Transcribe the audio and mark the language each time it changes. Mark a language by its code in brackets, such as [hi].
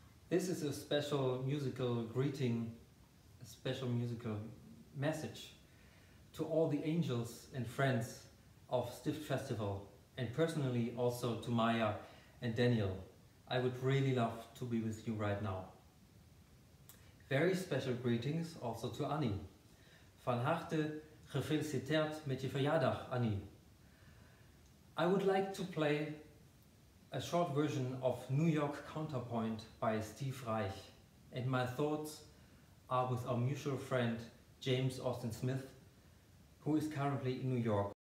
[en] This is a special musical greeting, a special musical message to all the angels and friends of Stift Festival, and personally also to Maja and Daniel. I would really love to be with you right now. Very special greetings also to Annie. [nl] Van harte gefeliciteerd met je verjaardag, Annie. [en] I would like to play a short version of New York Counterpoint by Steve Reich, and my thoughts are with our mutual friend James Austin Smith, who is currently in New York.